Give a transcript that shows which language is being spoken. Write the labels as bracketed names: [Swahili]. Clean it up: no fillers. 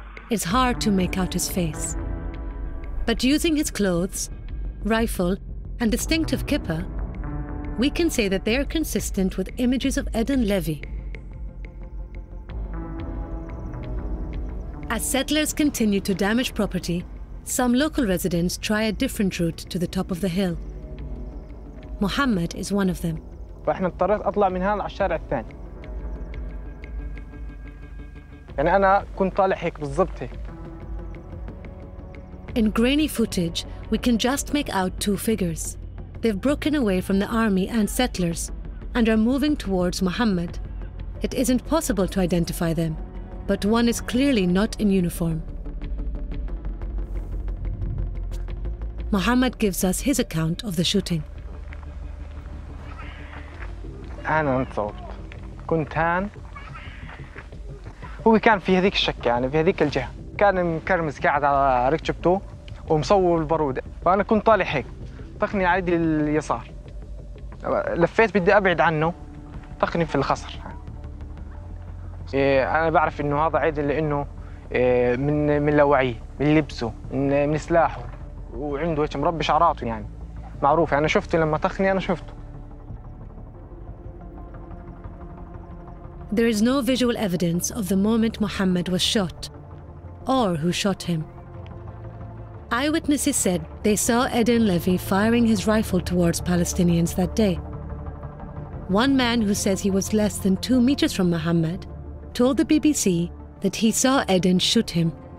[English] It's hard to make out his face. But using his clothes, rifle, and distinctive kippah, we can say that they are consistent with images of Eden Levy. As settlers continue to damage property, some local residents try a different route to the top of the hill. Mohammed is one of them. [Arabic] فاحنا اضطريت اطلع من هنا على الشارع الثاني. يعني انا كنت طالع هيك بالضبط هيك. [English] In grainy footage, we can just make out two figures. They've broken away from the army and settlers and are moving towards Muhammad. It isn't possible to identify them, but one is clearly not in uniform. Muhammad gives us his account of the shooting. [Arabic] أنا انصبت كنت هان هو كان في هذيك الشقة يعني في هذيك الجهة كان مكرمز قاعد على ركبته ومصوب البارودة فأنا كنت طالع هيك طقني على يدي اليسار لفيت بدي أبعد عنه طقني في الخصر أنا بعرف إنه هذا عيد لأنه من لوعي من لبسه من سلاحه وعنده وجه مربي شعراته يعني معروف أنا شفته لما طقني أنا شفته. [English] There is no visual evidence of the moment Muhammad was shot or who shot him. Eyewitnesses said they saw Eden Levy firing his rifle towards Palestinians that day. One man who says he was less than 2 meters from Muhammad told the BBC that he saw Eden shoot him.